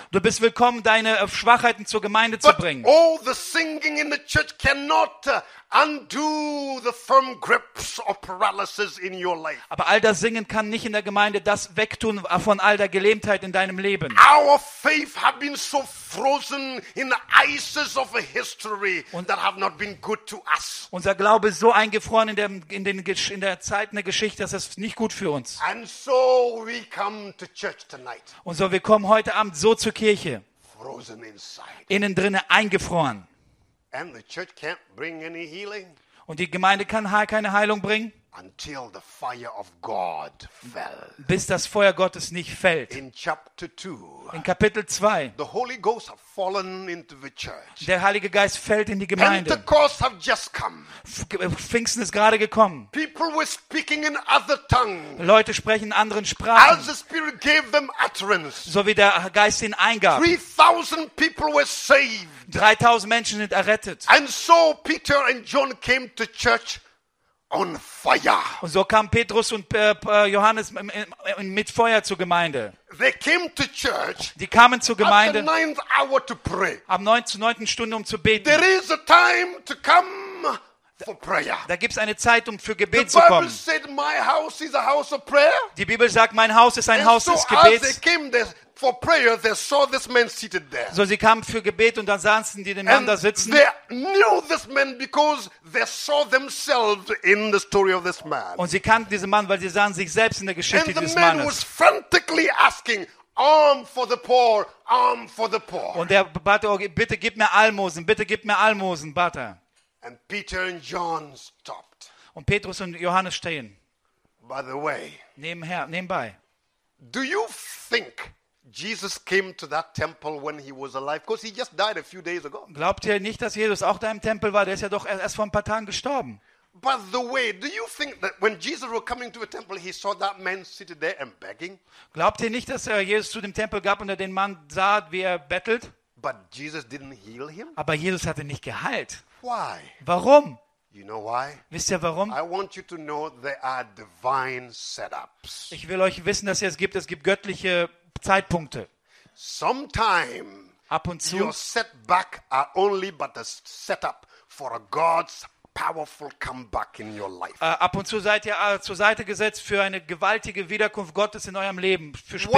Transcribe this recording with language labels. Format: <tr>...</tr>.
<de>Du bist willkommen, deine Schwachheiten zur Gemeinde</de> <en>But</en> <de>zu bringen.</de> <en>All the singing in the church cannot undo the firm grips of paralysis in your life.</en> <de>Aber all das Singen kann nicht in der Gemeinde das wegtun von all der Gelähmtheit in deinem Leben.</de> <en>Our faith have been so frozen in the ices of a history that have not been good to us.</en> <de>Unser Glaube ist so eingefroren in der Zeit der Geschichte, dass es nicht gut für uns.</de> <en>And so we come to church tonight.</en> <de>Und so wir kommen heute Abend so zur Kirche.</de> <en>Frozen inside.</en> <de>Innen drinne eingefroren.</de> <en>And the church can't bring any healing.</en> <de>Und die Gemeinde kann keine Heilung bringen.</de> <en>Until the fire of God fell.</en> <de>Bis das Feuer Gottes nicht fällt.</de> <en>In chapter 2.</en> <de>In Kapitel 2.</de> <en>The Holy Ghost have fallen into the church.</en> <de>Der Heilige Geist fällt in die Gemeinde.</de> <en>Pentecost have just come.</en> <de>Pfingsten ist gerade gekommen.</de> <en>People were speaking in other tongues.</en> <de>Leute sprechen in anderen Sprachen.</de> <en>As the Spirit gave them utterance.</en> <de>So wie der Geist ihnen eingab.</de> <en>3000 people were saved.</en> <de>3000 Menschen sind errettet.</de> <en>And so Peter and John came to church. On fire.</en> <de>Und so kamen Petrus und Johannes mit Feuer zur Gemeinde.</de> <en>They came to church.</en> <de>Die kamen zur Gemeinde.</de> <en>At the ninth hour to pray.</en> <de>Am neunten Stunde um zu beten.</de> <en>There is a time to come for prayer.</en> <de>Da gibt's eine Zeit um für Gebet</de> <en>the Bible</en> <de>zu kommen.</de> <en>Said, my house is a house of prayer.</en> <de>Die Bibel sagt, mein Haus ist ein</de> <en>And</en> <de>Haus</de> <en>so</en> <de>des Gebets.</de> <en>As they came there for prayer, they saw this man seated there.</en> <de>So sie kamen für Gebet und dann sahen sie den Mann</de> <en>And</en> <de>da sitzen.</de> <en>They knew this man because they saw themselves in the story of this man.</en> <de>Und sie kannten diesen Mann, weil sie sahen sich selbst in der Geschichte dieses Mannes.</de> <en>And the man was frantically asking, "Arm for the poor, arm for the poor."</en> <de>Und er bat, oh, bitte gib mir Almosen, bitte gib mir Almosen, bat er.</de> <en>And Peter and John stopped.</en> <de>Und Petrus und Johannes stehen.</de> <en>By the way.</en> <de>Nebenbei.</de> <en>Do you think Jesus came to that temple when he was alive? Because he just died a few days ago.</en> <de>Glaubt ihr nicht, dass Jesus auch da im Tempel war? Der ist ja doch erst vor ein paar Tagen gestorben.</de> <en>By the way, do you think that when Jesus was coming to the temple, he saw that man sitting there and begging?</en> <de>Glaubt ihr nicht, dass er Jesus zu dem Tempel gab und er den Mann sah, wie er bettelt?</de> <en>But Jesus didn't heal him.</en> <de>Aber Jesus hat ihn nicht geheilt.</de> <en>Why?</en> <de>Warum?</de> <en>You know why?</en> <de>Wisst ihr warum?</de> <en>I want you to know there are divine setups.</en> <de>Ich will euch wissen, dass es gibt göttliche Zeitpunkte.</de> <en>Sometime</en> <de>ab und zu</de> <en>your setback are only but a setup for a God's powerful comeback in your life.</en> <de>Ab und zu seid ihr zur Seite gesetzt für eine gewaltige Wiederkunft Gottes in eurem Leben für später.</de>